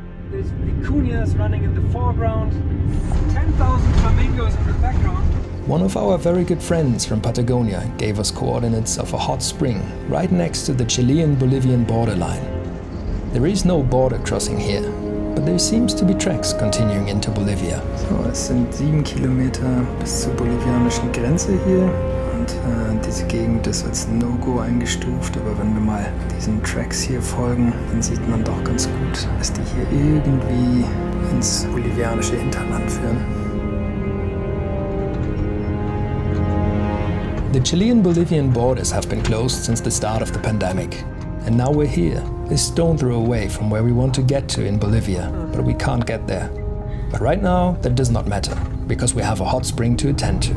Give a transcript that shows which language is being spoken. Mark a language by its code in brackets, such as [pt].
[en] There's vicuñas running in the foreground, 10,000 flamingos in the background. One of our very good friends from Patagonia gave us coordinates of a hot spring right next to the Chilean-Bolivian borderline. There is no border crossing here, but there seems to be tracks continuing into Bolivia. [de] So es sind 7 Kilometer bis zur bolivianischen Grenze hier und diese Gegend ist als No-Go eingestuft, aber wenn wir mal diesen Tracks hier folgen, dann sieht man doch ganz gut, dass die hier irgendwie ins bolivianische Hinterland führen. [en] The Chilean-Bolivian borders have been closed since the start of the pandemic. And now we're here, a stone throw away from where we want to get to in Bolivia, but we can't get there. But right now, that does not matter, because we have a hot spring to attend to.